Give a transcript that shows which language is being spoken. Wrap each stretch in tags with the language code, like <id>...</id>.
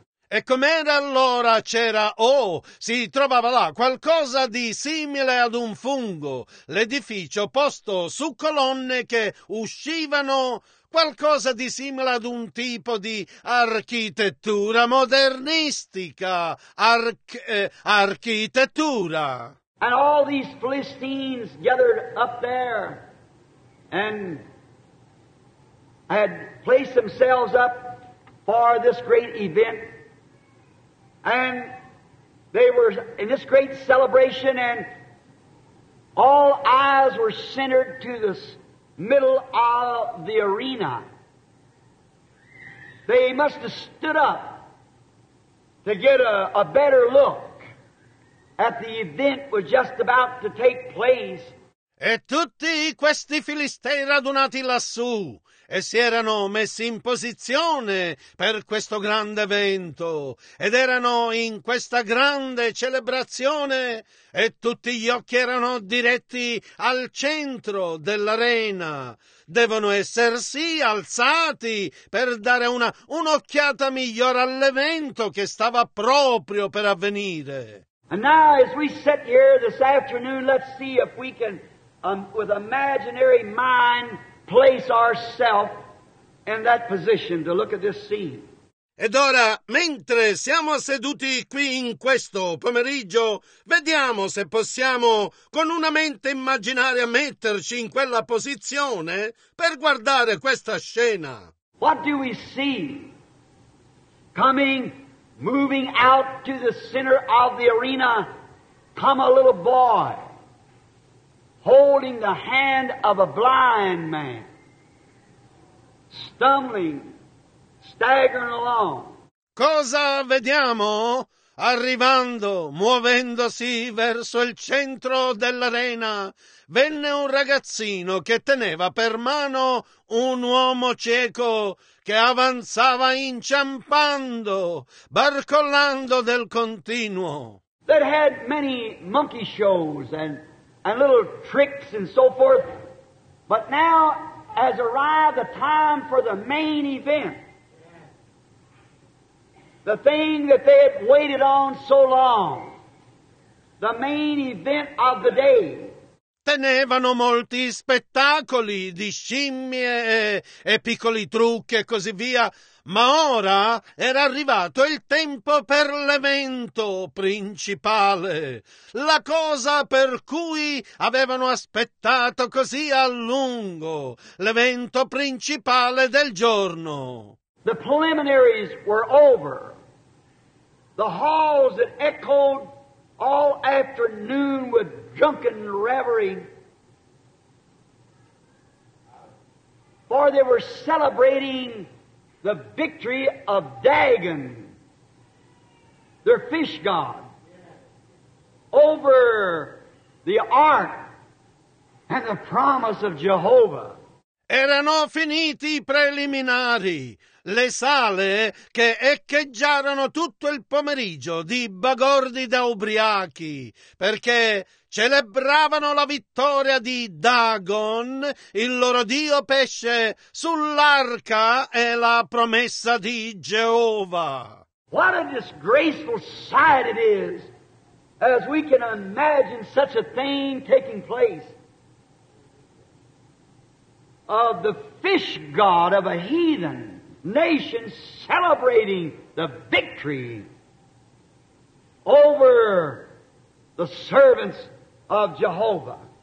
<it>E com'era allora c'era, si trovava là qualcosa di simile ad un fungo, l'edificio posto su colonne che uscivano, qualcosa di simile ad un tipo di architettura modernistica, architettura.</it> <en>And all these Philistines gathered up there and had placed themselves up for this great event. And they were in this great celebration, and all eyes were centered to the middle of the arena. They must have stood up to get a better look at the event was just about to take place.</en> <it>E tutti questi filistei radunati lassù e si erano messi in posizione per questo grande evento, ed erano in questa grande celebrazione, e tutti gli occhi erano diretti al centro dell'arena. Devono essersi alzati per dare un'occhiata migliore all'evento che stava proprio per avvenire.</it> <en>And now, as we sit here this afternoon, let's see if we can, with imaginary mind, place ourselves in that position to look at this scene.</en> <it>Ed ora, mentre siamo seduti qui in questo pomeriggio, vediamo se possiamo con una mente immaginaria metterci in quella posizione per guardare questa scena.</it> <en>What do we see coming, moving out to the center of the arena? Come a little boy holding the hand of a blind man, stumbling, staggering along.</en> <it>Cosa vediamo? Arrivando, muovendosi verso il centro dell'arena, venne un ragazzino che teneva per mano un uomo cieco che avanzava inciampando, barcollando del continuo.</it> <en>That had many monkey shows and little tricks and so forth, but now has arrived the time for the main event. The thing that they had waited on so long. The main event of the day.</en> <it>Tenevano molti spettacoli di scimmie e piccoli trucchi e così via, ma ora era arrivato il tempo per l'evento principale, la cosa per cui avevano aspettato così a lungo, l'evento principale del giorno.</it> <en>The preliminaries were over. The halls that echoed all afternoon with drunken reverie. For they were celebrating the victory of Dagon, their fish god, over the ark and the promise of Jehovah.</en> <it>Erano finiti i preliminari, le sale che echeggiarono tutto il pomeriggio di bagordi da ubriachi, perché celebravano la vittoria di Dagon, il loro dio pesce, sull'arca e la promessa di Geova.</it> <en>What a disgraceful sight it is, as we can imagine such a thing taking place. Of the fish god of a heathen nation celebrating the victory over the servants of Jehovah.</en>